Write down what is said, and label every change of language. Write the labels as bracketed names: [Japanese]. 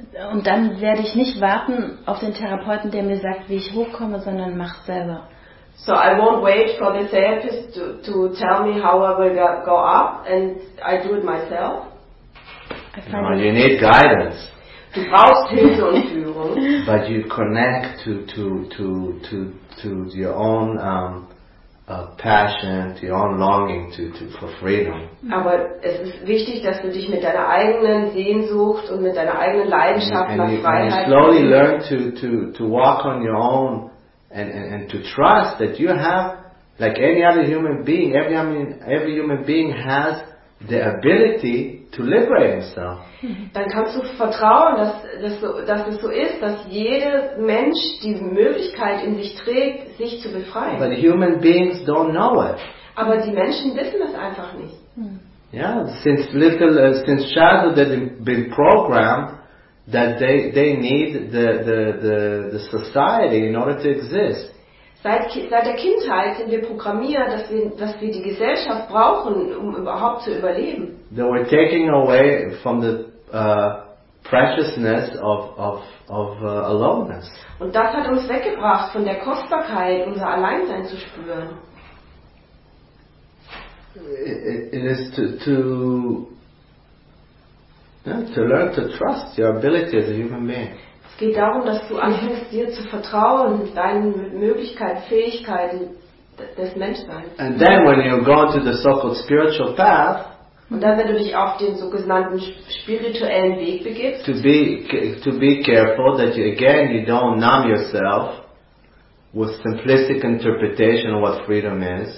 [German] Und dann werde ich nicht warten auf den Therapeuten, der mir sagt, wie ich hochkomme, sondern mach selber. [English] So I won't wait for the therapist to tell me how I will go up and I do it myself. You need guidance. [German] Du brauchst Hilfe und Führung. [English] But you connect to your own passion, to your own longing to for freedom. [German] Aber es ist wichtig, dass du dich mit deiner eigenen Sehnsucht und mit deiner eigenen Leidenschaft nach Freiheit [English] and you slowly learn to walk on your own and to trust that you have like any other human being. Every human being has the ability to liberate himself. [German] Dann kannst du vertrauen, dass es so ist, dass jeder Mensch die Möglichkeit in sich trägt, sich zu befreien. [English] But human beings don't know it. [German] Aber die Menschen wissen es einfach nicht. [English] Yeah, since childhood they've been programmed that they need the society in order to exist. [German] Seit der Kindheit sind wir programmiert, dass wir die Gesellschaft brauchen, um überhaupt zu überleben. [English] They were taking away from the preciousness of aloneness. [German] Und das hat uns weggebracht von der Kostbarkeit, unser Alleinsein zu spüren. [English] It is to learn to trust your ability as a human being. [German] Es geht darum, dass du anfängst, dir zu vertrauen, deinen Möglichkeiten, Fähigkeiten des Menschseins. [English] And then when you go to the so-called spiritual path, [German] und dann wenn du dich auf den sogenannten spirituellen Weg begibst, [English] to be careful that you again you don't numb yourself with simplistic interpretation of what freedom is.